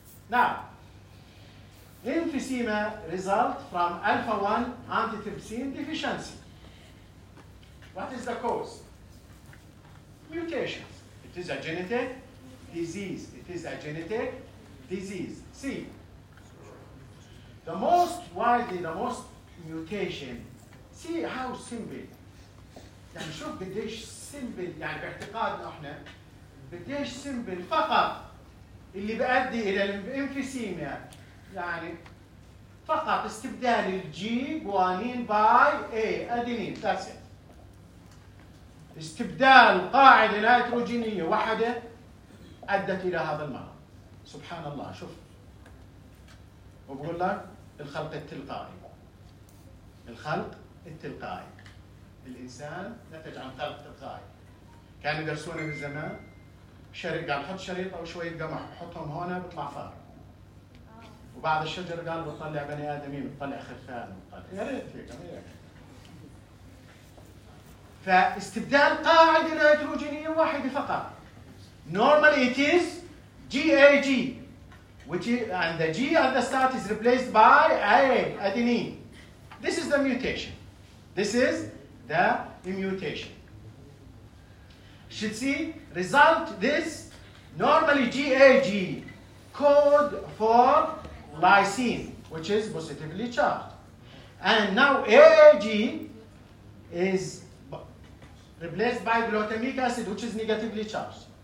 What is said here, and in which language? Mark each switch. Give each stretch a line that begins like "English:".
English: Now, emphysema result from alpha-1 antitrypsin deficiency. What is the cause? Mutations. It is a genetic disease. It is a genetic disease. See, the most widely, the most mutation, see how simple.
Arabic: يعني شو قديش simple, يعني باعتقادنا احنا, قديش simple فقط اللي بيؤدي الى الانفيسيما, يعني فقط استبدال الجي جوانين باي اي ادينين,
English: that's it.
Arabic: استبدال قاعدة نيتروجينية واحدة أدت إلى هذا المرض. سبحان الله, شوف, وبقول لك الخلق التلقائي, الخلق التلقائي, الإنسان نتج عن خلق تلقائي. كان يدرسونا من زمان شريط, قال حط شريط أو شوية قمح حطهم هنا بطلع فار, وبعد الشجر قال بطلع بني آدمين, بطلع خرفان, بطلع يا ريت فيك. فاستبدال قاعدة نيتروجينية واحدة فقط.
English: Normally it is GAG, which is, and the G at the start is replaced by A, adenine. This is the mutation. This is the mutation. Should see result this normally GAG code for lysine, which is positively charged, and now AAG is replaced by glutamic acid, which is negatively charged.